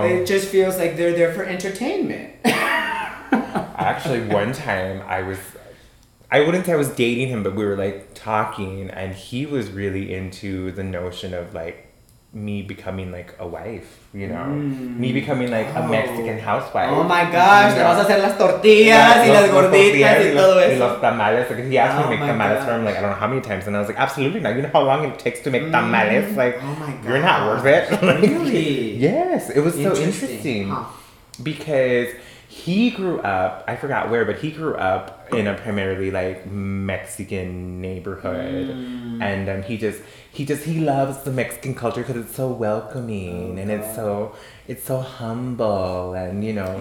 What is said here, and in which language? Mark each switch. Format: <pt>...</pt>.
<en>It just feels like they're there for entertainment. Actually, one time I wouldn't say I was dating him, but we were like talking, and he was really into the notion of like, me becoming like a wife, you know, me becoming like a Mexican housewife. Oh my gosh,</en> <es>te vas a hacer las tortillas y las gorditas y todo eso. Y los tamales,</es> <en>because he asked me to make tamales for him, like, I don't know how many times, and I was like, absolutely not. You know how long it takes to make tamales? Like, oh my gosh, you're not worth it. Really? Yes, it was so interesting because he grew up, I forgot where, but he grew up in a primarily like Mexican neighborhood, and he loves the Mexican culture because it's so welcoming, and it's so humble, and you know,</en>